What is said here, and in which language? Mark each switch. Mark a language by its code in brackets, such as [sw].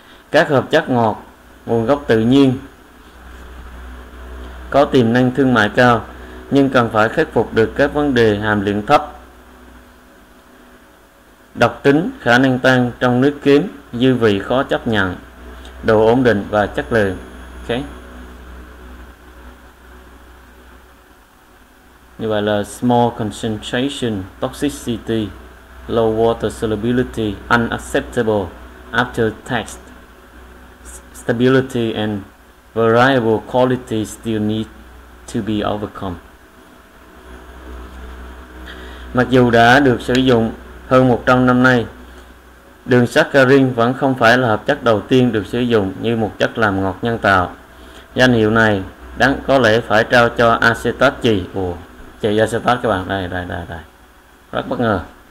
[vi] Các hợp chất ngọt nguồn gốc tự nhiên có tiềm năng thương mại cao, nhưng cần phải khắc phục được các vấn đề hàm lượng thấp, độc tính, khả năng tan trong nước kiếm, dư vị khó chấp nhận, độ ổn định và chất lượng. [en] Okay. [vi] Như vậy là [en] small concentration, toxicity, low water solubility, unacceptable after test, stability and variable quality still need to be overcome. [vi] Mặc dù đã được sử dụng hơn 100 năm nay, đường saccharin vẫn không phải là hợp chất đầu tiên được sử dụng như một chất làm ngọt nhân tạo. Danh hiệu này đáng có lẽ phải trao cho acetate chì. Ủa, chì acetate các bạn, đây. Rất bất ngờ.